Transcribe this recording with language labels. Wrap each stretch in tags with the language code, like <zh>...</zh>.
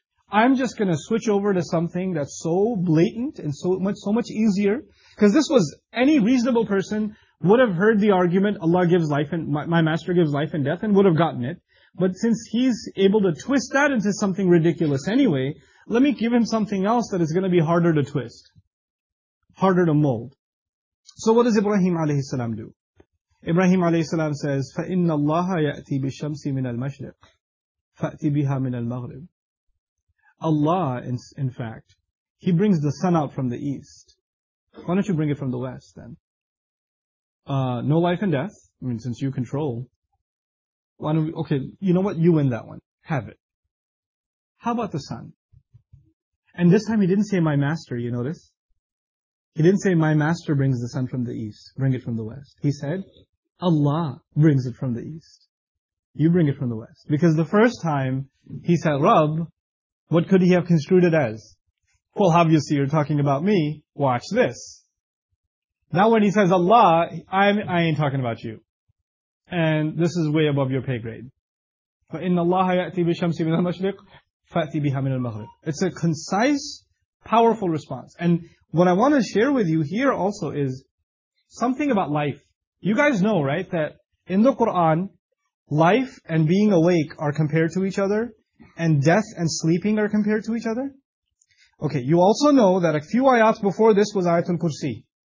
<en>I'm just going to switch over to something that's so blatant and so much easier, because this was any reasonable person would have heard the argument, Allah gives life and my master gives life and death, and would have gotten it. But since he's able to twist that into something ridiculous anyway, let me give him something else that is going to be harder to twist, harder to mold. So what does Ibrahim alayhi salam do?</en> <ar>Ibrahim alayhi salam says, فَإِنَّ اللَّهَ يَأْتِي بِالشَّمْسِ مِنَ الْمَشْرِقِ فَأْتِ بِهَا مِنَ الْمَغْرِبِ.</ar> <en>Allah, in fact, He brings the sun out from the east. Why don't you bring it from the west then? No life and death. I mean, since you control. Why don't we, okay, you know what? You win that one. Have it. How about the sun? And this time he didn't say my master, you notice? He didn't say my master brings the sun from the east, bring it from the west. He said, Allah brings it from the east. You bring it from the west. Because the first time he said, Rabb, what could he have construed it as? Well, obviously you're talking about me. Watch this. Now when he says Allah, I ain't talking about you. And this is way above your pay grade.</en> <ar>فَإِنَّ اللَّهَ يَأْتِي بِشَمْسِ مِنَ الْمَشْرِقِ فَأْتِي بِهَا مِنَ الْمَغْرِبِ</ar> <en>It's a concise, powerful response. And what I want to share with you here also is something about life. You guys know, right, that in the Quran, life and being awake are compared to each other, and death and sleeping are compared to each other? Okay, you also know that a few ayats before this was Ayatul Kursi.</en>